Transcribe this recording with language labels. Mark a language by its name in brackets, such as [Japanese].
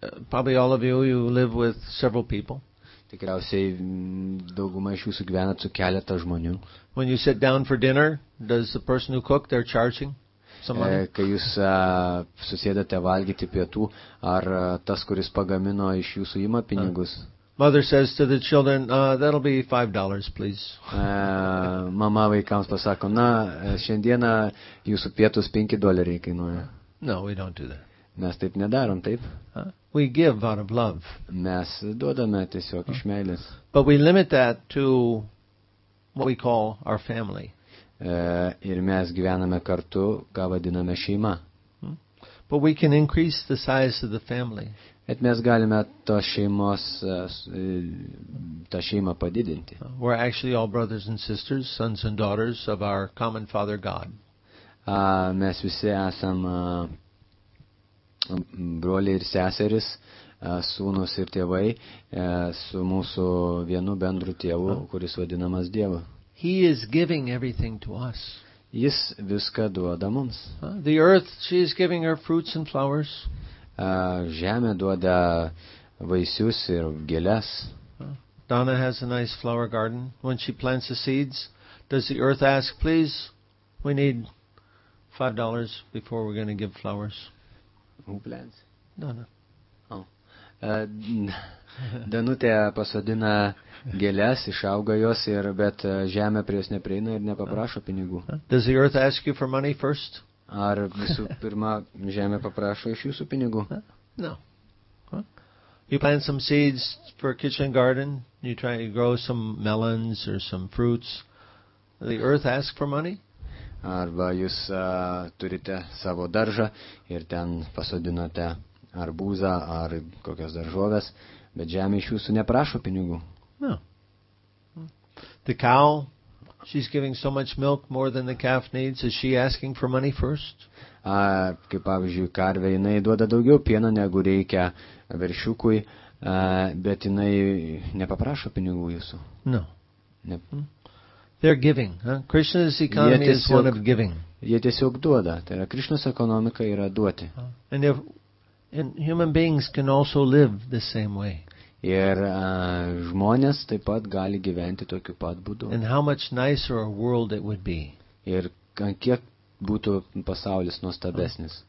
[English] Probably all of you live with several people. [Lithuanian] Tikriausiai dauguma iš jūsų gyvena su keletą žmonių. [English] When you sit down for dinner, does the person who cooked, they're charging some money? [Lithuanian] Kai jūs susėdate valgyti pietų, ar tas, kuris pagamino, iš jūsų ima pinigus? [English] Mother says to the children, that'll be $5, please. [Lithuanian] Mama vaikams pasako, na, šiandieną jūsų pietus $5 kainuoja. [English] No, we don't do that. [Lithuanian] Mes taip nedarom, taip? [English] We give out of love. [Lithuanian] Mes duodame tiesiog iš meilės. [English] But we limit that to what we call our family. [Lithuanian] Ir mes gyvename kartu, ką vadiname šeima. [English] But we can increase the size of the family. [Lithuanian] Bet mes galime tą šeimą padidinti. [English] We're actually all brothers and sisters, sons and daughters of our common Father God. [Lithuanian] Mes visi esam broliai ir seserys, sūnus ir tėvai, su mūsų vienu bendru tėvu, kuris vadinamas Dievu. [English] He is giving everything to us. [Lithuanian] Jis viską duoda mums. [English] The earth, she is giving her fruits and flowers. [Lithuanian] Žemė duoda vaisius ir gėles. [English] Donna has a nice flower garden. When she plants the seeds, does the earth ask, please, we need $5 before we're going to give flowers? Who plants? Donna. [Lithuanian] Danutė pasodina gėles, išauga jos, ir bet žemė prie jos neprieina ir nepaprašo pinigų. [English] Does the earth ask you for money first? [Lithuanian] Ar visų pirma žemė paprašo iš jūsų pinigų? [English] No. You plant some seeds for a kitchen garden, you try to grow some melons or some fruits. The earth ask for money? [Lithuanian] Arba jūs turite savo daržą ir ten pasodinote arbūzą ar kokias daržoves, bet žemė iš jūsų neprašo pinigų. [English] No. The cow, she's giving so much milk, more than the calf needs. Is she asking for money first? [Lithuanian] Kaip pavyzdžiui, karvė, jinai duoda daugiau pieno, negu reikia veršiukui, bet jinai nepaprašo pinigų jūsų. [English] No. They're giving. Krishna's economy is one of giving. [Lithuanian] Jie tiesiog duoda. Tai yra, Krishna's ekonomika yra duoti. [English] And human beings can also live the same way. [Lithuanian] Ir žmonės taip pat gali gyventi tokiu pat būdu. [English] And how much nicer a world it would be. [Lithuanian] Ir kiek būtų pasaulis nuostabesnis.